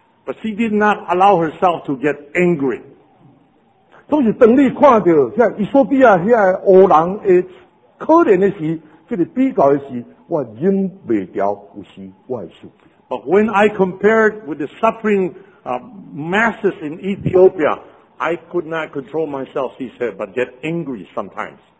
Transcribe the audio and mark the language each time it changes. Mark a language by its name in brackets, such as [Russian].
[English] But she did not allow herself to get angry. [Min Nan Chinese] 总是当你看到像伊索比亚遐黑人的可怜的时，这个比较的时，我忍不住有时我会受气。 [English] But when I compared with the suffering masses in Ethiopia, I could not control myself, she said, but get angry sometimes.